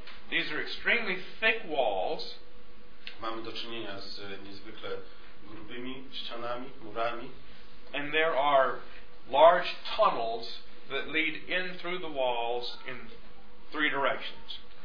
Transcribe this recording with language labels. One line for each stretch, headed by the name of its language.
English: These are extremely thick walls.
Polish: Mamy do czynienia z niezwykle grubymi ścianami, murami.
English: And there are large tunnels that lead in through the walls in three directions.